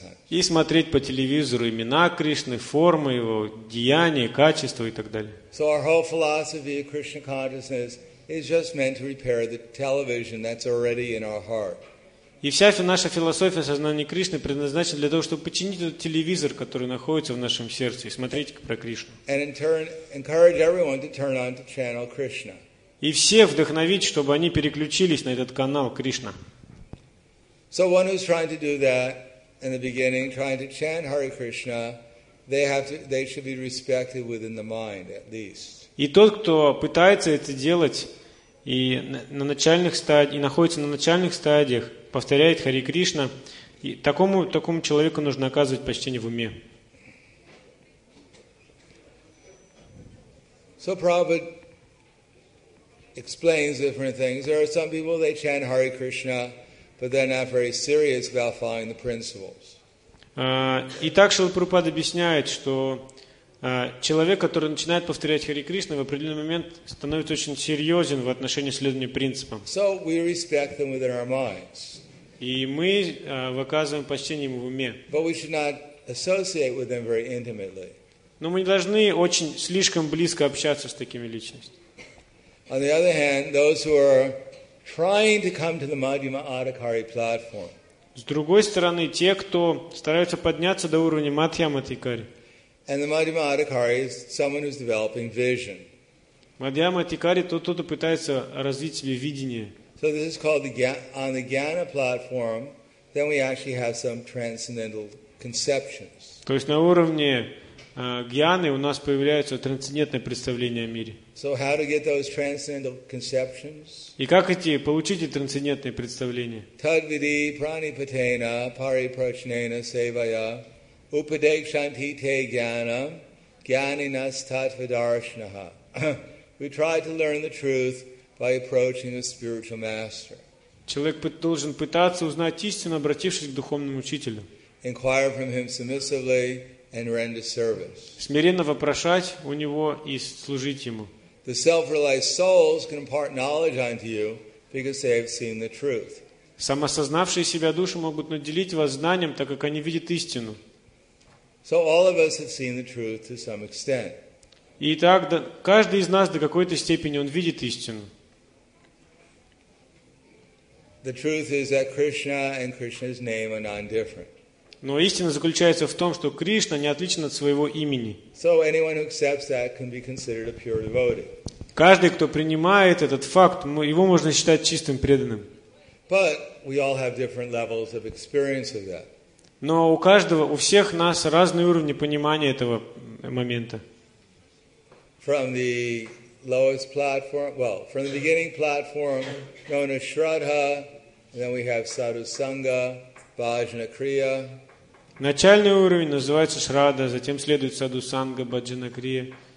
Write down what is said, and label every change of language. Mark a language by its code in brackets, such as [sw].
[ru] И смотреть по телевизору имена Кришны, формы его, деяния, качества и так далее. [en] So our whole philosophy of Krishna consciousness is just meant to repair the television that's already in our heart. [ru] И вся эта наша философия сознания Кришны предназначена для того, чтобы починить этот телевизор, который находится в нашем сердце, и смотреть про Кришну. [en] And in turn, encourage everyone to turn on to channel Krishna. [ru] И все вдохновить, чтобы они переключились на этот канал Кришна. [en] So one who's trying to do that in the beginning, trying to chant Hare Krishna, they should be respected within the mind at least. [ru] И тот, кто пытается это делать и на начальных стадиях, и находится на начальных стадиях, повторяет Хари Кришна, и такому человеку нужно оказывать почтение в уме. [en] So Prabhupada explains different things. There are some people they chant Hare Krishna, but they're not very serious about following the principles. [ru] И так Шрила Прабхупада объясняет, что человек, который начинает повторять Хари Кришна, в определенный момент становится очень серьезен в отношении следования принципам. [en] So we respect them within our minds. [ru] И мы выказываем почтение ему в уме. [en] But we should not associate with them very intimately. [ru] Но мы не должны очень слишком близко общаться с такими личностями. [en] On the other hand, those who are trying to come to the Madhyama Adhikari platform. [ru] С другой стороны, те, кто стараются подняться до уровня Мадхьяма Адхикари. [en] And the Madhyama Adhikari is someone who's developing vision. [ru] Мадхьяма Адхикари тот, кто пытается развить себе видение. [en] So this is called on the Jnana platform, then we actually have some transcendental conceptions. [ru] То есть на уровне Jnаны у нас появляется трансцендентное представление о мире. [en] So how to get those transcendental conceptions? [ru] И как эти получить эти трансцендентные представления? [sa] Tadvidi pranipatena pariprachnena sevaya. Upadekshantite jnanam, jnaninas tattvadarshanaha. [en] We try to learn the truth by approaching a spiritual master. [ru] Человек должен пытаться узнать истину, обратившись к духовному учителю. [en] Inquire from him submissively and render service. [ru] Смиренно вопрошать у него и служить ему. [en] The self-realized souls can impart knowledge unto you because they have seen the truth. [ru] Самосознавшие себя души могут наделить вас знанием, так как они видят истину. [en] So all of us have seen the truth to some extent. [ru] Итак, каждый из нас до какой-то степени он видит истину. [en] The truth is that Krishna and Krishna's name are non-different. [ru] Но истина заключается в том, что Кришна не отличен от своего имени. [en] So anyone who accepts that can be considered a pure devotee. [ru] Каждый, кто принимает этот факт, его можно считать чистым преданным. [en] But we all have different levels of experience of that. [ru] Но у каждого, у всех нас разные уровни понимания этого момента. [en] From the lowest platform, well, from the beginning platform, known as Shraddha, then we have Sadhu Sangha, Bhajana Kriya. [ru] Начальный уровень называется Shraddha, затем следует Sadhu Sangha, Bhajana Kriya.